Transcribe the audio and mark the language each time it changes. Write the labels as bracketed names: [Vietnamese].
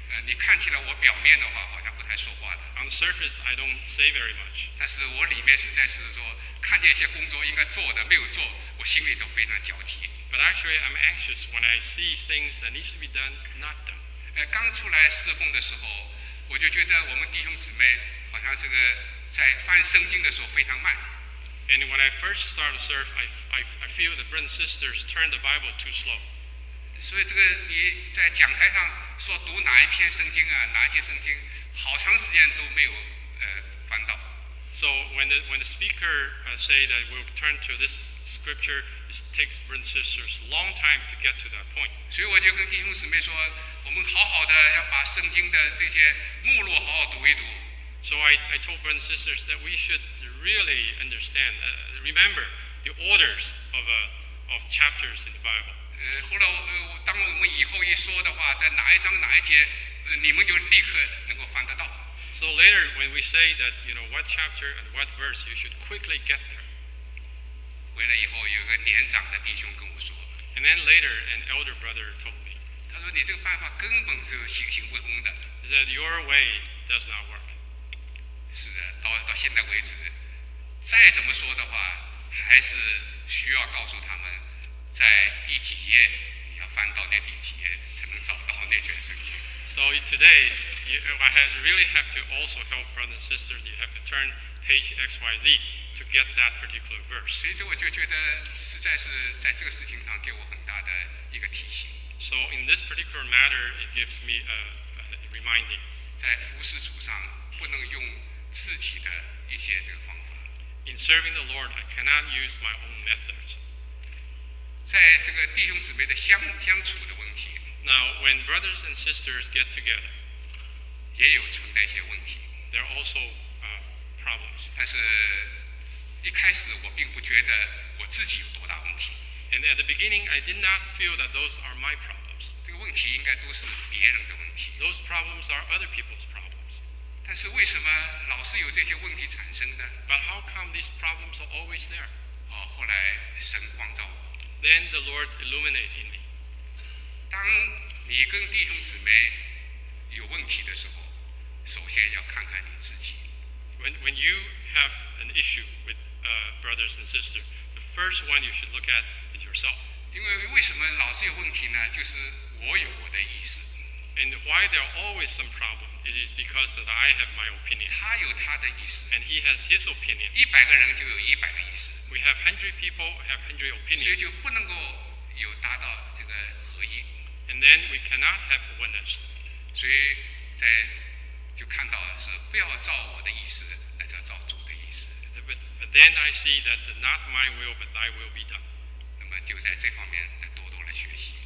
[Chinese] 你看起来我表面的话好像不太说话的。 [English] On the surface, I don't say very much. [Chinese] 但是我里面实在是说。看见一些工作应该做的没有做，我心里都非常焦急。 [English] But actually, I'm anxious when I see things that needs to be done not done. [Chinese] 刚出来侍奉的时候，我就觉得我们弟兄姊妹好像这个在翻圣经的时候非常慢。 [English] And when I first started to serve, I feel the brothers and sisters turn the Bible too slow. [Chinese] 所以这个你在讲台上说读哪一篇圣经啊，哪一节圣经，好长时间都没有翻到。 [English] So when the speaker say that we'll turn to this scripture, it takes brothers and sisters a long time to get to that point. [Chinese] 所以我就跟弟兄姊妹说，我们好好的要把圣经的这些目录好好读一读。 [English] So I told brothers and sisters that we should really understand, remember the orders of chapters in the Bible. [Chinese] 后来当我们以后一说的话，在哪一章哪一节，你们就立刻能够翻得到。 [English] So later, when we say that, you know, what chapter and what verse, you should quickly get there. [Chinese] 回来以后，有个年长的弟兄跟我说。 [English] And then later, an elder brother told me. [Chinese] 他说你这个办法根本是行行不通的。 [English] He said your way does not work. [Chinese] 是的，到现在为止，再怎么说的话，还是需要告诉他们，在第几页，你要翻到那第几页，才能找到那卷圣经。 [English] So today, I really have to also help brothers and sisters. You have to turn page X Y Z to get that particular verse. [Chinese] 所以这我就觉得，实在是在这个事情上给我很大的一个提醒。 [English] So in this particular matter, it gives me a reminding. [Chinese] 在服事主上。不能用自己的一些这个方法。 [English] In serving the Lord, I cannot use my own methods. [Chinese] 在这个弟兄姊妹的相处的问题。 [English] Now, when brothers and sisters get together, [Chinese] 也有存在一些问题。 [English] There are also problems. [Chinese] 但是一开始我并不觉得我自己有多大问题。 [English] And at the beginning, I did not feel that those are my problems. [Chinese] 这个问题应该都是别人的问题。 [English] Those problems are other people's problems. [Chinese] 但是为什么老是有这些问题产生呢？ [English] But how come these problems are always there? [Chinese] 哦，后来神光照我。 [English] Then the Lord illuminated in me. [Chinese] 当你跟弟兄姊妹有问题的时候，首先要看看你自己。 [English] When you have an issue with brothers and sisters, the first one you should look at is yourself. [Chinese] 因为为什么老是有问题呢？就是我有我的意思。 [English] And why there are always some problems? It is because that I have my opinion. [Chinese] 他有他的意思。 [English] And he has his opinion. [Chinese] 一百个人就有一百个意思。 [English] We have 100 people have 100 opinions. [Chinese] 所以就不能够有达到这个合一。 [English] And then we cannot have oneness. [Chinese] 所以在就看到是不要照我的意思，那叫照主的意思。 [English] But then I see that not my will but thy will be done. [Chinese] 那么就在这方面多多来学习。